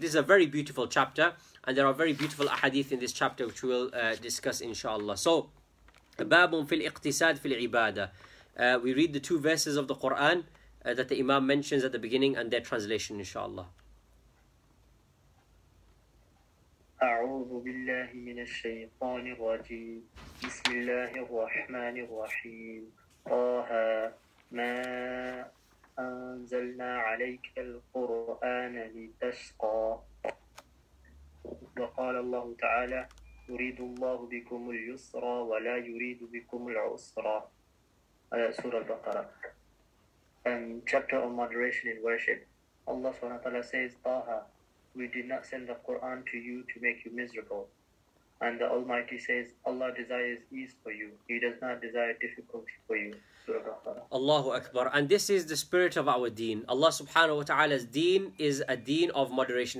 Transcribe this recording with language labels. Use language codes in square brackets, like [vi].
[en] This is a very beautiful chapter, and there are very beautiful ahadith in this chapter which we'll discuss inshallah. So babun fil iqtisad fil ibadah, we read the two verses of the Quran that the imam mentions at the beginning and their translation inshallah. [ar] أعوذ بالله من الشيطان الرجيم بسم الله الرحمن الرحيم طه ما أنزلنا عليك القرآن لتشقى وقال الله تعالى يريد الله بكم اليسر ولا يريد بكم العسر سورة البقرة. [en] Chapter on moderation in worship. Allah سبحانه وتعالى says, طه, we did not send the Quran to you to make you miserable. And the Almighty says, Allah desires ease for you. He does not desire difficulty for you. Surah [ar] Allahu Akbar. [en] And this is the spirit of our deen. Allah subhanahu wa ta'ala's deen is a deen of moderation.